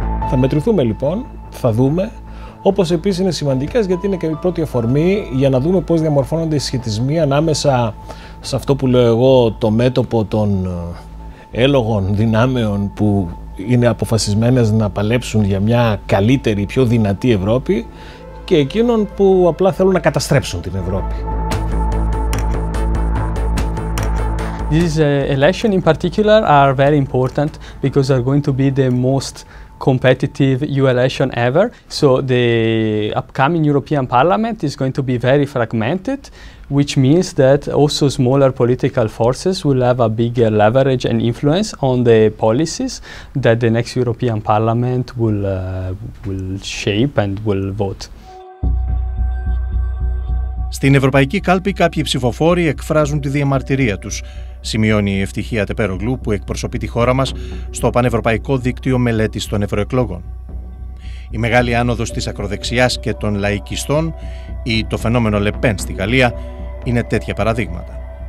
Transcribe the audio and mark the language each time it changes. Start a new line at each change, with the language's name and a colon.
Greek: Θα μετρηθούμε λοιπόν, θα δούμε, όπως επίσης είναι σημαντικές γιατί είναι και η πρώτη αφορμή για να δούμε πώς διαμορφώνονται οι σχετισμοί ανάμεσα σε αυτό που λέω εγώ το μέτωπο των έλογων δυνάμεων που είναι αποφασισμένες να παλέψουν για μια καλύτερη, πιο δυνατή Ευρώπη και εκείνων που απλά θέλουν να καταστρέψουν την Ευρώπη.
English: These elections in particular are very important because they're going to be the most competitive EU election ever. So the upcoming European Parliament is going to be very fragmented, which means that also smaller political forces will have a bigger leverage and influence on the policies that the next European Parliament will shape and will vote.
Greek: Στην Ευρωπαϊκή Κάλπη κάποιοι ψηφοφόροι εκφράζουν τη διαμαρτυρία τους, σημειώνει η Ευτυχία Τεπέρογλου που εκπροσωπεί τη χώρα μας στο Πανευρωπαϊκό Δίκτυο Μελέτης των Ευρωεκλογών. Η μεγάλη άνοδος της ακροδεξιάς και των λαϊκιστών ή το φαινόμενο Le Pen στη Γαλλία είναι τέτοια παραδείγματα.